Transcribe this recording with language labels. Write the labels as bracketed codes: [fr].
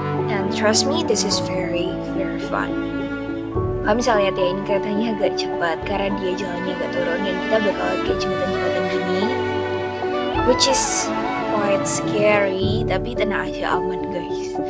[en] And trust me, this is very, very fun. [id] Kalian bisa lihat ya, ini keretanya agak cepat karena dia jalannya agak turun dan kita bakal kayak jembatan-jembatan gini. [en] Which is quite scary, [id] tapi tenang aja, aman [en] guys.